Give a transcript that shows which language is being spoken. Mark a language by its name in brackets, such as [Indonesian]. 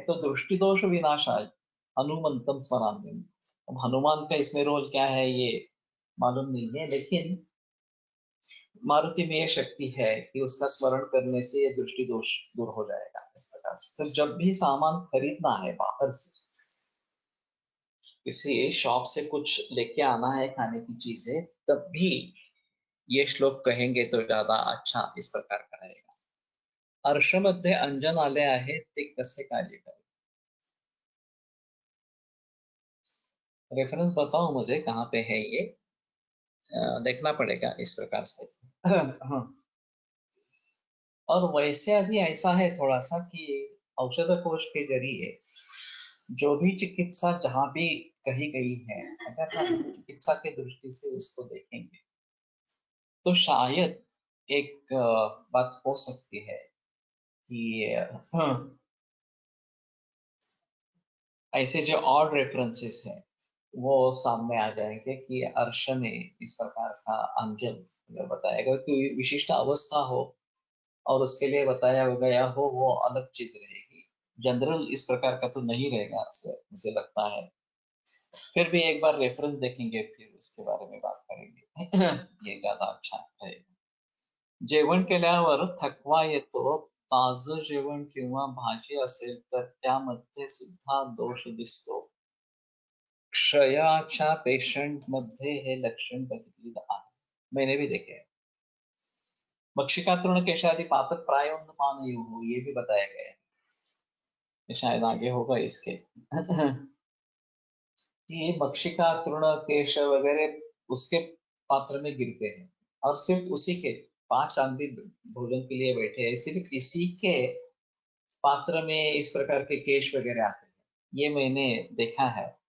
[Hindi] तो [Sanskrit] दृष्टि दोष विनाशाय हनुमंतम स्मरामि, [Hindi] अब हनुमान का इसमें रोल क्या है ये मालूम नहीं है, लेकिन मारुति में यह शक्ति है कि उसका स्मरण करने से यह दृष्टि दोष दूर हो जाएगा इस प्रकार से। तो जब भी सामान खरीदना है बाहर से, किसी शॉप से कुछ लेके आना है खाने की चीजें, तब भी ये श्लोक कहेंगे तो ज्यादा अच्छा इस प्रकार का रहेगा। [Marathi] अर्श मध्य अंजन आले आहे ते कसे काजे करे, [Hindi] रेफरेंस बताओ मुझे कहाँ पे है ये, देखना पड़ेगा इस प्रकार से। हाँ और वैसे अभी ऐसा है थोड़ा सा कि औषध कोष के जरिए जो भी चिकित्सा जहां भी कही गई है, अगर हम चिकित्सा के दृष्टि से उसको देखेंगे तो शायद एक बात हो सकती है कि ऐसे जो और रेफरेंसेस हैं वो सामने आ जाएंगे कि अर्श ने इस प्रकार का अंजन अगर बताया गया, कोई विशिष्ट अवस्था हो और उसके लिए बताया गया हो वो अलग चीज रहेगी, जनरल इस प्रकार का तो नहीं रहेगा सर मुझे लगता है। फिर भी एक बार रेफरेंस देखेंगे फिर उसके बारे में बात करेंगे, ये ज्यादा अच्छा रहेगा। [Marathi] जेवण केल्यावर थकवा येतो, ताजं जेवण किंवा भाजी असेल तर त्यामध्ये सुद्धा दोष दिसतो, क्षयाच्या पेशंट मध्ये हे लक्षण बघितले आहे, [Hindi] मैंने भी देखे है। भक्षिका तृण केशादि पातक प्राय पान हो, ये भी बताया गया है, शायद आगे होगा इसके ये भक्षिका तृण केश वगैरह उसके पात्र में गिरते हैं और सिर्फ उसी के, 5 आदमी भोजन के लिए बैठे हैं, सिर्फ इसी के पात्र में इस प्रकार के केश वगैरह आते हैं, ये मैंने देखा है।